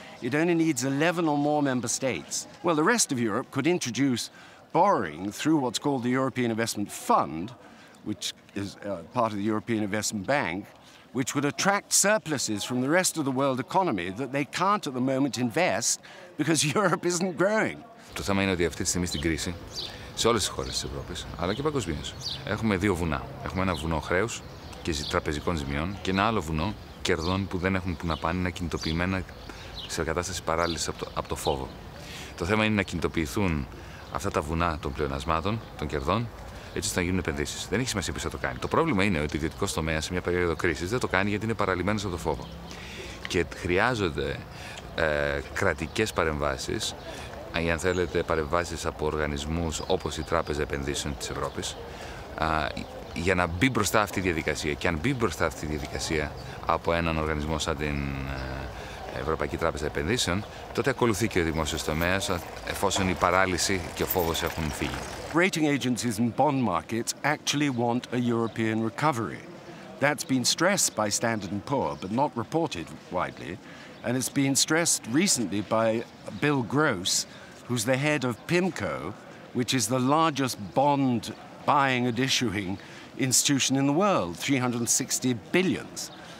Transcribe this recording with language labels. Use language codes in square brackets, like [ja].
[en] It only needs 11 or more member states. Well, the rest of Europe could introduce borrowing through what's called the European Investment Fund, which is part of the European Investment Bank, which would attract surpluses from the rest of the world economy that they can't at the moment invest because Europe isn't growing. [el] Το θέμα είναι ότι αυτή τη στιγμή στην κρίση, σε όλες τις χώρες της Ευρώπης, αλλά και παγκοσμίως, έχουμε δύο βουνά. Έχουμε ένα βουνό χρέους και τραπεζικών ζημιών και ένα άλλο βουνό κερδών που δεν έχουν που να πάνε, είναι κινητοποιημένα σε κατάσταση παράλυσης από το φόβο. Το θέμα είναι να κινητοποιηθούν αυτά τα βουνά των πλεονασμάτων, των κερδών, έτσι ώστε να γίνουν επενδύσεις. Δεν έχει σημασία ποιος θα το κάνει. Το πρόβλημα είναι ότι ο ιδιωτικός τομέας σε μια περίοδο κρίσης δεν το κάνει γιατί είναι παραλυμένος από το φόβο. Και χρειάζονται κρατικές παρεμβάσεις, ή αν θέλετε παρεμβάσεις από οργανισμούς όπως η Τράπεζα Επενδύσεων της Ευρώπης, για να μπει μπροστά αυτή η διαδικασία. Και αν μπει μπροστά αυτή η διαδικασία από έναν οργανισμό σαν την Ευρωπαϊκή Τράπεζα Επενδύσεων, τότε ακολουθεί και ο δημόσιος τομέας, εφόσον η παράλυση και ο φόβος έχουν φύγει. [en] Rating agencies and bond markets actually want a European recovery. That's been stressed by Standard & Poor, but not reported widely. And it's been stressed recently by Bill Gross, who's the head of PIMCO, which is the largest bond buying and issuing institution in the world, 360 billions.